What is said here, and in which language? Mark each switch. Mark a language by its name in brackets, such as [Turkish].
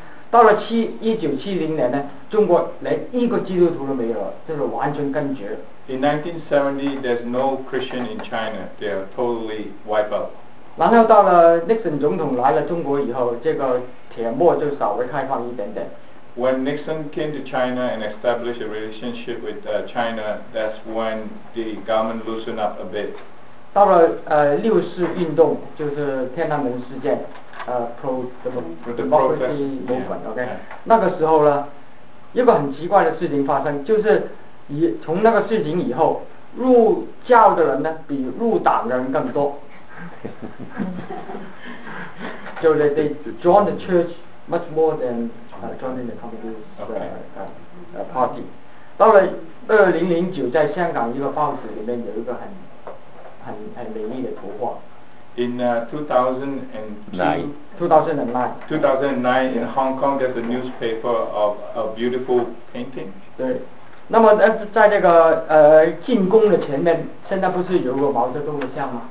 [Chinese] 到了1970年呢，中国连一个基督徒都没有，就是完全根绝。 [English] In 1970, there's no Christian in China. They are totally wiped out. [Chinese] 然后到了 Nixon 总统来了中国以后，这个铁幕就稍微开放一点点。 [English] When Nixon came to China and established a relationship with China, that's when the government loosened up a bit. [Chinese] 到了六四运动，就是天安门事件， [English] democracy movement, yeah, OK. [Chinese] Yeah. 那个时候呢，一个很奇怪的事情发生，就是从那个事情以后，入教的人呢比入党的人更多。 [English] So they join the church much more than joining the Communist Party. [Chinese] 到了2009，在香港一个报纸里面有一个很美丽的图画。 [English] In 2009 in Hong Kong, there's a newspaper of a beautiful painting. [Chinese] 对，那么在这个进宫的前面，现在不是有个毛泽东的像吗？